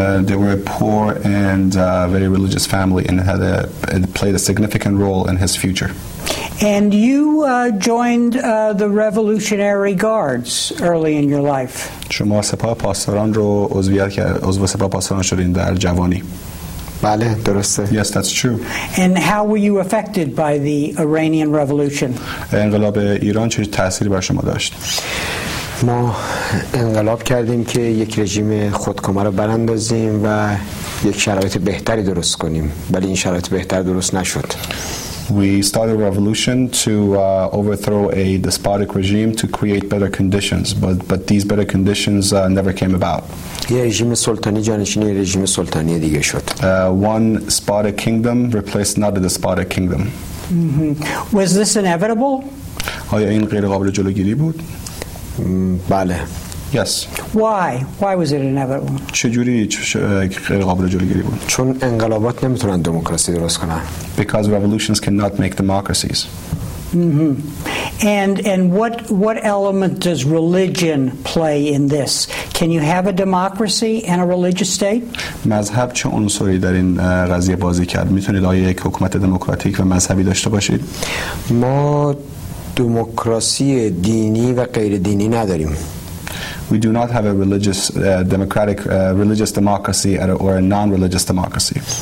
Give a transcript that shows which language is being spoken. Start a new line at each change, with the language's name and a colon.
English: They were poor and very religious family and played a significant role in his future. And you joined the Revolutionary Guards early in your life.
Persian: شما سپاه پاسداران رو عضو سپاه پاسداران شدین در جوانی. بله درسته.
English: Yes, that's true. And how were you affected by the Iranian Revolution?
Persian: انقلاب ایران چه تأثیری بر شما داشت؟ ما انقلاب کردیم که یک رژیم خودکامه رو براندازیم و یک شرایط بهتری درست کنیم، ولی این شرایط بهتر درست نشد.
English: We started a revolution to overthrow a despotic regime to create better conditions, but these better conditions never came about.
Persian: یه رژیم سلطانی جانشین یه رژیم سلطانی دیگه شد.
English: One despotic kingdom replaced another despotic kingdom. Mm-hmm. Was this inevitable?
Persian: آیا این غیر قابل جلوگیری بود؟ بله.
English: Yes. Why was it inevitable?
Persian: چجوری غیر قابل جلوگیری بود؟ چون انقلابات نمیتونن دموکراسی درست کنن.
English: Because revolutions cannot make democracies. Mm-hmm. And what element does religion play in this? Can you have a democracy and a religious state?
Persian: مذهب چه عنصری در این قضیه بازی کرد؟ میتونید آیا یک حکومت دموکراتیک و مذهبی داشته باشید؟ ما دموکراسی دینی و غیر دینی نداریم.
English: We do not have a religious democratic religious democracy or a non-religious democracy.